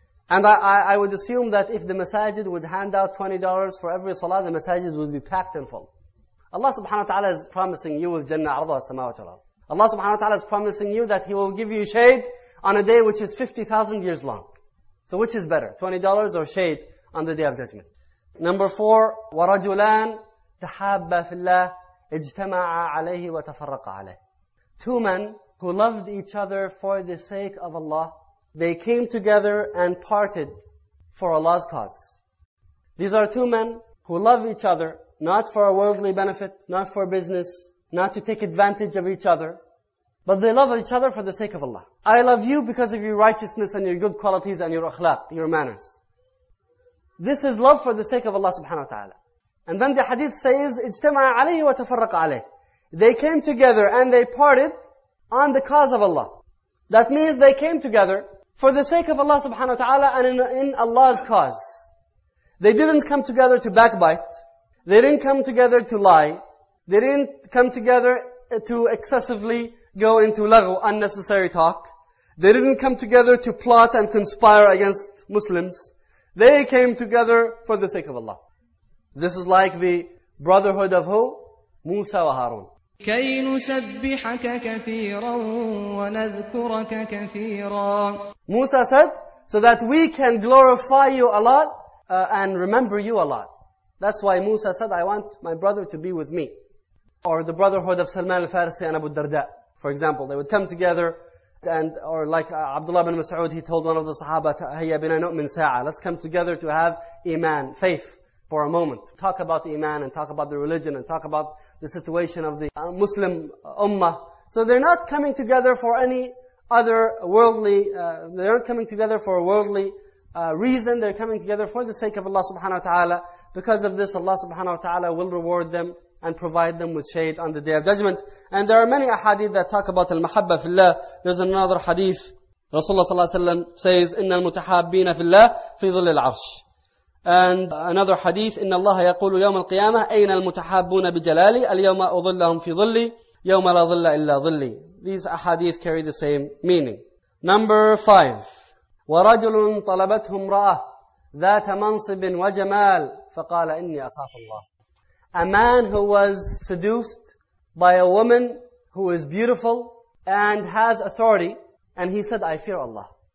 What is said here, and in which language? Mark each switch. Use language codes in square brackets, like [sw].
[en] And I would assume that if the masajid would hand out $20 for every salah, the masajid would be packed and full. Allah subhanahu wa ta'ala is promising you with Jannah, arda, samawat, al-arz. Allah subhanahu wa ta'ala is promising you that He will give you shade on a day which is 50,000 years long. So which is better, $20 or shade on the Day of Judgment? Number 4, [ar] وَرَجُلَانْ تَحَابَّ فِي اللَّهِ اجْتَمَعَ عَلَيْهِ وَتَفَرَّقَ عَلَيْهِ. [en] Two men who loved each other for the sake of Allah, they came together and parted for Allah's cause. These are two men who love each other, not for a worldly benefit, not for business, not to take advantage of each other, but they love each other for the sake of Allah. I love you because of your righteousness and your good qualities and your akhlaq, your manners. This is love for the sake of Allah subhanahu wa ta'ala. And then the hadith says, [ar] اجتمع عليه وتفرق عليه. [en] They came together and they parted on the cause of Allah. That means they came together for the sake of Allah subhanahu wa ta'ala and in Allah's cause. They didn't come together to backbite. They didn't come together to lie. They didn't come together to excessively go into lagh, unnecessary talk. They didn't come together to plot and conspire against Muslims. They came together for the sake of Allah. This is like the brotherhood of who? Musa wa Harun. [ar] كَيْ نُسَبِّحَكَ كَثِيرًا وَنَذْكُرَكَ كَثِيرًا. [en] Musa said, so that we can glorify you a lot and remember you a lot. That's why Musa said, I want my brother to be with me. Or the brotherhood of Salman al-Farisi and Abu Darda. For example, they would come together and, or like Abdullah ibn Mas'ud, he told one of the Sahaba, [ar] هَيَّ بِنَا نُؤْمِنْ سَاعَةً. [en] Let's come together to have iman, faith, for a moment. Talk about iman and talk about the religion and talk about the situation of the Muslim ummah. So they're not coming together for any other worldly, they're not coming together for a worldly reason. They're coming together for the sake of Allah subhanahu wa ta'ala. Because of this, Allah subhanahu wa ta'ala will reward them and provide them with shade on the Day of Judgment. And there are many ahadith that talk about al-mahabba fi Allah. There's another hadith, Rasulullah sallallahu alayhi wa sallam says, [ar] إِنَّ الْمُتَحَابِّينَ فِي اللَّهِ فِي ظِلِّ الْعَرْشِ. [en] And another hadith, [ar] إِنَّ اللَّهَ يَقُولُ يَوْمَ الْقِيَامَةِ أَيْنَ الْمُتَحَابُّونَ بِجَلَالِي الْيَوْمَ أُظِلَّهُمْ فِي ظِلِّي يَوْمَ لَا ظِلَّ إِلَّا ظِلِّي. [en] These ahadith carry the same meaning. Number 5. [ar] وَرَجُلٌ طَلَبَتْهُ امْرَأَةٌ ذَاتَ مَنْصِبٍ وَجَمَالٍ فَقَالَ إِنِّي أَخَافُ اللَّهَ. [en] A man who was seduced by a woman who is beautiful and has authority, and he said, I fear Allah.